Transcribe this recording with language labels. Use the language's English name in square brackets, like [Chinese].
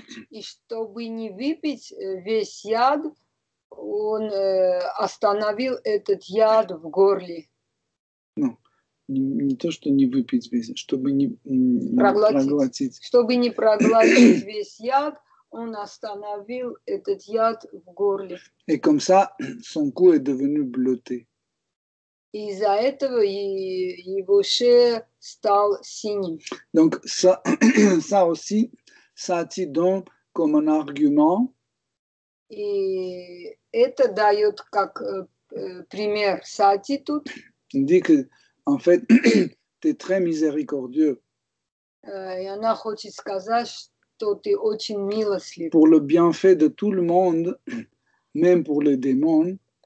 [Russian] И чтобы не выпить весь яд, он остановил этот яд в горле. Non, не то, что не выпить весь, чтобы не проглотить. Чтобы не проглотить весь яд, он остановил этот яд в горле. [French] Et comme ça, son cou est devenu bleuté. [Russian] Из-за этого его шея стал синим. [French] Donc ça, ça aussi, ça tient donc comme un argument. [Russian] И это дает как пример Сати тут. [French] Il dit que, en fait, t'es très miséricordieux. [Russian] И она хочет сказать, что то ты очень милостлив. [French] Pour le bienfait de tout le monde, même pour les démons.